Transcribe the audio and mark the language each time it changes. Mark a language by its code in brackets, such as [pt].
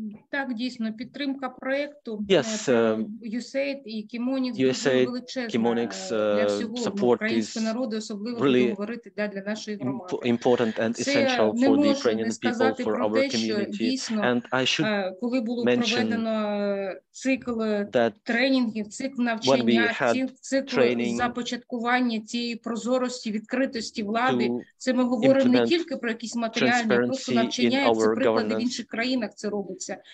[uk] Так, дійсно, підтримка проєкту USAID і Chemonics дуже величезна для всього українського народу, особливо коли говорити для нашої громади. [en] Important and essential for the Ukrainian people, for our community. And I should [uk] коли було проведено цикл тренінгів, цикл навчання, цикл започаткування цієї прозорості, відкритості влади, це ми говоримо не тільки про якісь матеріальні, просто навчання, це приклади в інших країнах. Це робиться.